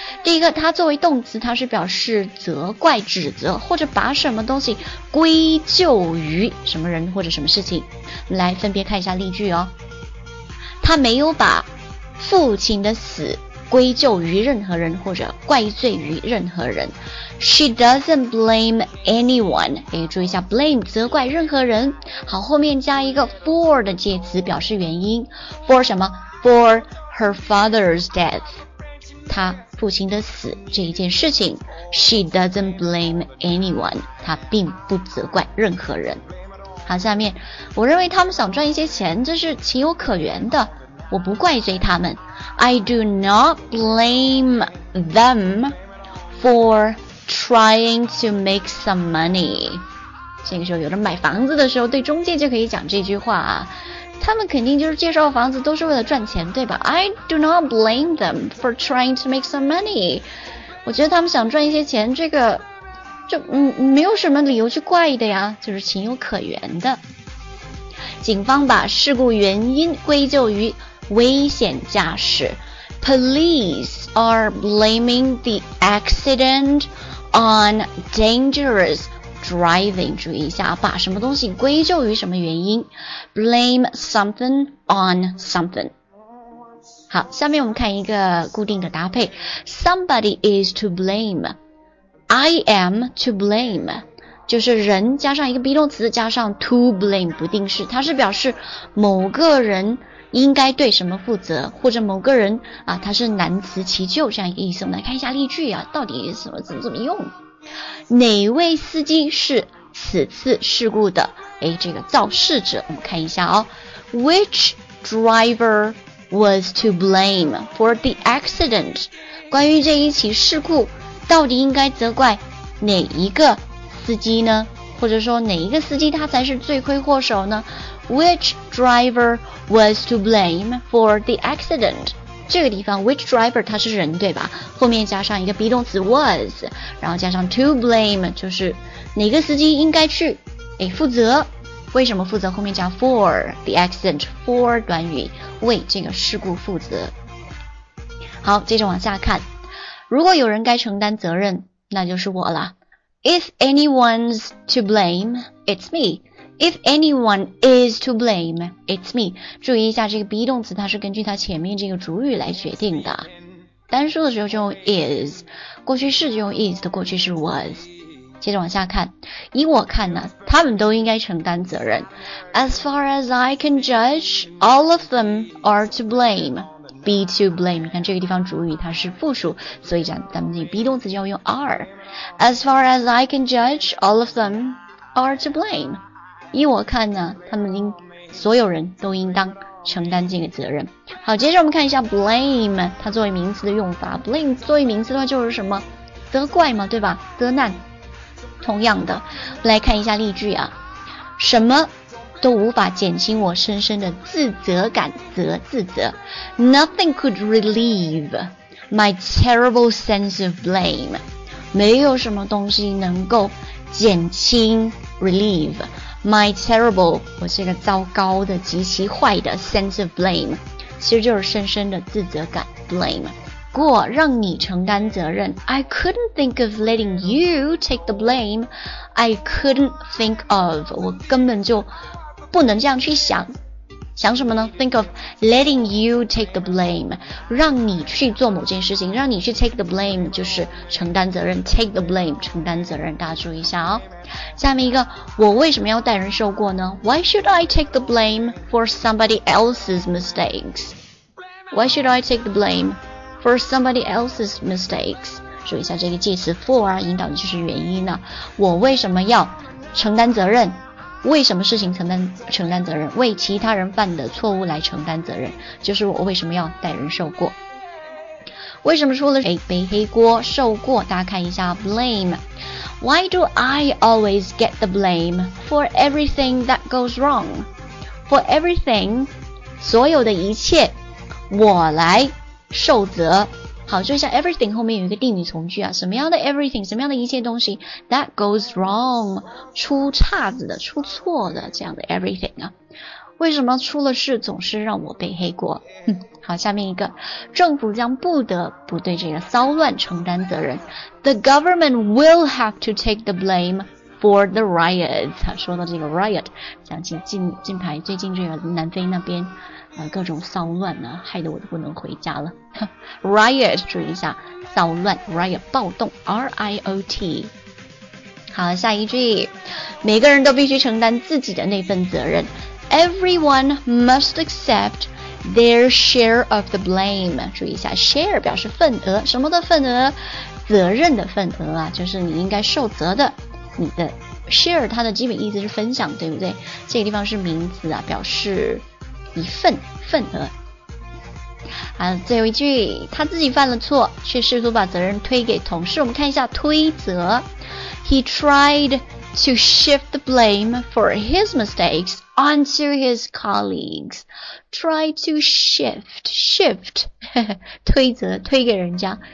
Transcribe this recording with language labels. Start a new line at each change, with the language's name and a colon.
Chinese: 第一个，它作为动词，它是表示责怪、指责，或者把什么东西归咎于什么人或者什么事情。我们来分别看一下例句哦。他没有把父亲的死归咎于任何人或者怪罪于任何人。
English: She doesn't blame anyone.
Chinese: 也注意一下 blame 责怪任何人。好，后面加一个 for 的介词表示原因。
English: For
Chinese: 什么
English: ？For her father's death.
Chinese: 她父亲的死这一件事情。
English: She doesn't blame anyone.
Chinese: 她并不责怪任何人。好，下面我认为他们想赚一些钱，这是情有可原的。我不怪罪他们。
English: I do not blame them for trying to make some money.
Chinese: 这个时候有人买房子的时候对中介就可以讲这句话啊。他们肯定就是介绍房子都是为了赚钱，对吧？
English: I do not blame them for trying to make some money.
Chinese: 我觉得他们想赚一些钱，这个就没有什么理由去怪的呀，就是情有可原的。警方把事故原因归咎于危险驾驶。
English: Police are blaming the accident on dangerous driving.
Chinese: 注意一下，把什么东西归咎于什么原因。
English: Blame something on something.
Chinese: 好，下面我们看一个固定的搭配。
English: Somebody is to blame. I am to blame.
Chinese: 就是人加上一个 be 动词加上 to blame 不定式，它是表示某个人应该对什么负责，或者某个人啊，它是难辞其咎这样一个意思。我们来看一下例句啊，到底什么怎么用。哪位司机是此次事故的这个肇事者。我们看一下哦。
English: Which driver was to blame for the accident?
Chinese: 关于这一起事故到底应该责怪哪一个司机呢？或者说哪一个司机他才是罪魁祸首呢？
English: Which driver was to blame for the accident?
Chinese: 这个地方
English: which driver
Chinese: 他是人对吧，后面加上一个 be 动词 was， 然后加上 to blame 就是哪个司机应该去负责，为什么负责，后面加
English: for the accident，
Chinese: for 短语为这个事故负责。好，接着往下看，如果有人该承担责任那就是我了。
English: If anyone's to blame, it's me. If anyone is to blame, it's me.
Chinese: 注意一下这个 be 动词它是根据它前面这个主语来决定的。单数的时候就用 is， 过去式就用 is 的过去式 was。接着往下看，以我看呢，他们都应该承担责任。
English: As far as I can judge, all of them are to blame. Be to blame，
Chinese: 你看这个地方主语它是复数，所以咱们这个 be 动词就要用 are。
English: As far as I can judge, all of them are to blame。
Chinese: 依我看呢，他们所有人都应当承担这个责任。好，接着我们看一下 blame， 它作为名词的用法。blame 作为名词的话就是什么？责怪嘛，对吧？责难。同样的，来看一下例句啊，什么？都无法减轻我深深的自责感，自责。
English: Nothing could relieve my terrible sense of blame.
Chinese: 没有什么东西能够减轻
English: relieve my terrible，
Chinese: 我这个糟糕的、极其坏的
English: sense of blame，
Chinese: 其实就是深深的自责感 blame。过让你承担责任。
English: I couldn't think of letting you take the blame. I couldn't think of，
Chinese: 我根本就不能这样去想。想什么呢？
English: Think of letting you take the blame，
Chinese: 让你去做某件事情，让你去
English: take the blame
Chinese: 就是承担责任， take the blame 承担责任。大家注意一下哦。下面一个，我为什么要代人受过呢？
English: Why should I take the blame for somebody else's mistakes? Why should I take the blame for somebody else's mistakes?
Chinese: 注意一下这个介词 for 引导的就是原因呢。我为什么要承担责任，为什么事情承担责任，为其他人犯的错误来承担责任，就是我为什么要代人受过。为什么说了背黑锅受过，大家看一下 blame。
English: Why do I always get the blame for everything that goes wrong? For everything，
Chinese: 所有的一切我来受责。好，就像 everything 后面有一个定语从句啊，什么样的 everything， 什么样的一切东西
English: that goes wrong，
Chinese: 出岔子的、出错的这样的 everything 啊。为什么出了事总是让我背黑锅？好，下面一个，政府将不得不对这个骚乱承担责任。
English: The government will have to take the blame for the riots.
Chinese: 说到这个 riot, 想起近排最近这个南非那边各种骚乱呢，害得我都不能回家了。 Riot, 注意一下，骚乱 ,riot, 暴动 ,R-I-O-T。好，下一句，每个人都必须承担自己的那份责任。
English: Everyone must accept their share of the blame.
Chinese: 注意一下 ,share 表示份额，什么的份额？责任的份额啊，就是你应该受责的。你的 share 它的基本意思是分享，对不对？这个地方是名词啊，表示一份份额。啊，最后一句，他自己犯了错，却试图把责任推给同事。我们看一下推责。
English: He tried to shift the blame for his mistakes onto his colleagues. Try to shift,
Chinese: 推责，推给人家。